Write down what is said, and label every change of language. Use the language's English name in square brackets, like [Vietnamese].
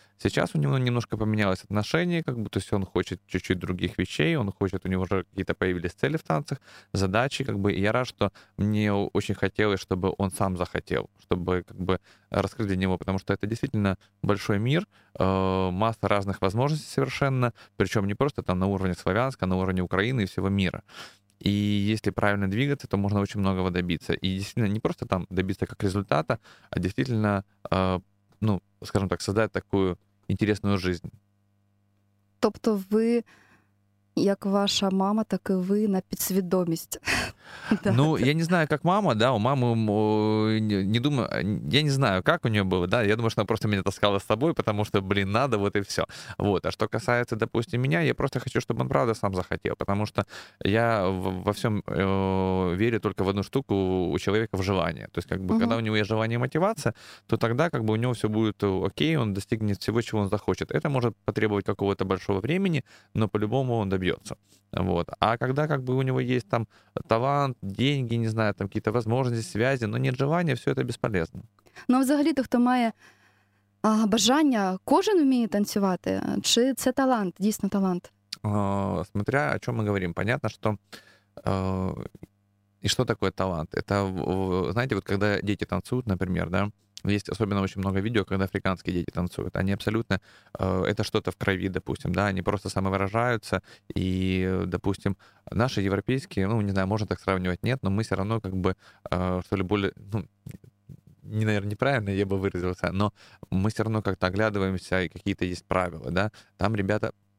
[Russian] Сейчас у него немножко поменялось отношение, как бы, то есть он хочет чуть-чуть других вещей, он хочет, у него уже какие-то появились цели в танцах, задачи, как бы, и я рад, что мне очень хотелось, чтобы он сам захотел, чтобы как бы раскрыть для него, потому что это действительно большой мир, масса разных возможностей совершенно, причем не просто там на уровне Славянска, а на уровне Украины и всего мира. И если правильно двигаться, то можно очень многого добиться. И действительно не просто там добиться как результата, а действительно, ну, скажем так, создать такую интересную жизнь. [Ukrainian] Тобто ви, як ваша мама, [Russian] так и вы [Ukrainian] на підсвідомість. [Russian] Ну, я не знаю, как мама, да, у мамы, не думаю, я не знаю, как у нее было, да, я думаю, что она просто меня таскала с собой, потому что, блин, надо, вот и все. Вот, а что касается, допустим, меня, я просто хочу, чтобы он правда сам захотел, потому что я во всем верю только в одну штуку у человека — в желание. То есть, как бы, когда у него есть желание и мотивация, то тогда, как бы, у него все будет окей, он достигнет всего, чего он захочет. Это может потребовать какого-то большого времени, но по-любому он добьется. Вот. А когда, как бы, у него есть там талант, деньги, не знаю, там какие-то возможности, связи, но нет желания, все это бесполезно. [Ukrainian] Ну, а взагалі-то, кто має А бажання, кожен вміє танцювати, чи це талант, дійсно талант? [Russian] Смотря о чем мы говорим. Понятно, что и что такое талант? Это, знаете, вот когда дети танцуют, например, да, есть особенно очень много видео, когда африканские дети танцуют. Они абсолютно, это что-то в крови, допустим, да, они просто самовыражаются. И, допустим, наши европейские, ну, не знаю, можно так сравнивать, нет, но мы все равно как бы, что ли, более, ну, не, наверное, неправильно я бы выразился, но мы все равно как-то оглядываемся, и какие-то есть правила, да. Там ребята...